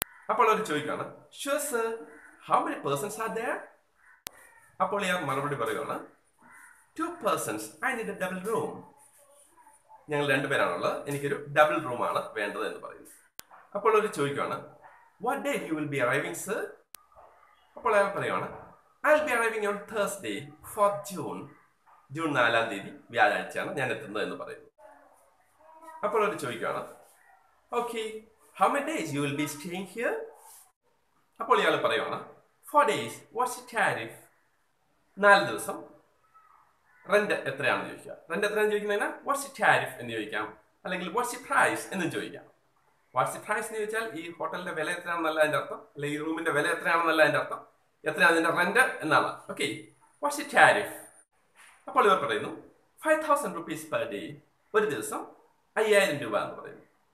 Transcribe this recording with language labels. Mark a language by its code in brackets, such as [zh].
[ml] അപ്പോൾ അവർ ചോദിക്കുകയാണ്, [en] Sure sir, how many persons are there? [ml] അപ്പോൾ ഞാൻ മറുപടി പറയുകയാണ്, [en] Two persons, I need a double room. [ml] ഞങ്ങൾ രണ്ടുപേരാണുള്ളത്, എനിക്കൊരു ഡബിൾ റൂമാണ് വേണ്ടത് എന്ന് പറയുന്നു. അപ്പോൾ അവർ ചോദിക്കുകയാണ്, [en] What day you will be arriving sir? [ml] അപ്പോൾ അയാൾ പറയുകയാണ്, [en] I'll be arriving on Thursday, 4th June. June 4th day, [ml] വ്യാഴാഴ്ചയാണ് ഞാൻ എത്തുന്നത് എന്ന് പറയുന്നു. അപ്പോൾ അവർ ചോദിക്കുകയാണ്, [en] Okay, how many days you will be staying here? [ml] അപ്പോൾ ഇയാൾ പറയുകയാണ്, [en] 4 days, what's the tariff? [ml] 4 ദിവസം റെന്റ് എത്രയാണെന്ന് ചോദിക്കുക. റെന്റ് എത്രയാണ് ചോദിക്കുന്നതിന് [en] what's tariff [ml] എന്ന് ചോദിക്കാം, അല്ലെങ്കിൽ [en] what's the price [ml] എന്നും ചോദിക്കാം. [en] what's the price [ml] എന്ന് ചോദിച്ചാൽ ഈ ഹോട്ടലിന്റെ വില എത്രയാണെന്നല്ല അതിന്റെ അർത്ഥം, അല്ലെങ്കിൽ ഈ റൂമിന്റെ വില എത്രയാണെന്നല്ല അതിന്റെ അർത്ഥം, എത്രയാണ് അതിന്റെ റെന്റ് എന്നാണ്. [en] Okay, what's the tariff? [ml] അപ്പോൾ ഇവർ പറയുന്നു, [en] 5,000 rupees per day, [ml] ഒരു ദിവസം 5,000 രൂപ എന്ന് പറയുന്നു.